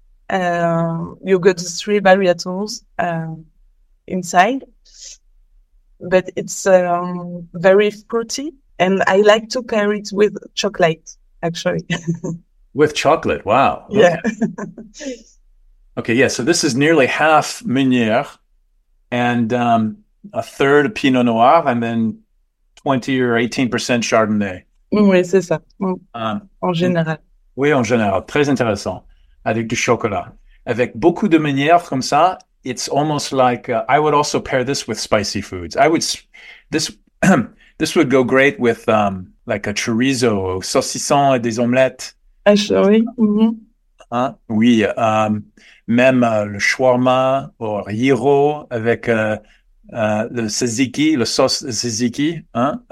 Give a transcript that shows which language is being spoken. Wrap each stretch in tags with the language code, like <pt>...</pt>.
<en>You got three varietals inside, but it's very fruity, and I like to pair it with chocolate, actually. With chocolate, wow, Yeah. okay. Okay, yeah, so this is nearly half Meunière and a third of Pinot Noir and then 20 or 18% Chardonnay.</en> <fr>Oui, c'est ça, en général. Oui, en général, très intéressant, avec du chocolat. Avec beaucoup de Meunière comme ça,</fr> <en>it's almost like, I would also pair this with spicy foods. This would go great with like a chorizo,</en> <fr>saucisson et des omelettes. Ah, oui. Mmh. Hein? Oui, même le shawarma ou gyro avec le tzatziki, le sauce tzatziki, hein?</fr>